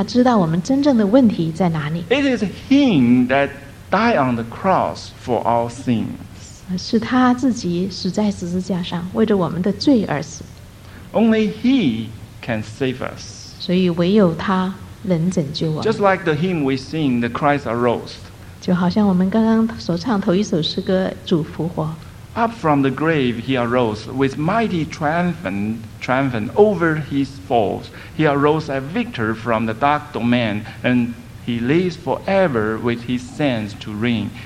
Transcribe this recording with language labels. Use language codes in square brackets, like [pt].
[zh] 因为是他造我们的，所以他知道我们真正的问题在哪里。 [en] It is Him that died on the cross for our sins. [zh] 是他自己死在十字架上，为着我们的罪而死。 [en] Only He can save us. [zh] 所以唯有他能拯救我们。 [en] Just like the hymn we sing, the Christ arose. [zh] 就好像我们刚刚所唱头一首诗歌，主复活。 [en] Up from the grave He arose with mighty triumphant over His foes. He arose a victor from the dark domain, and He lives forever with His saints to reign.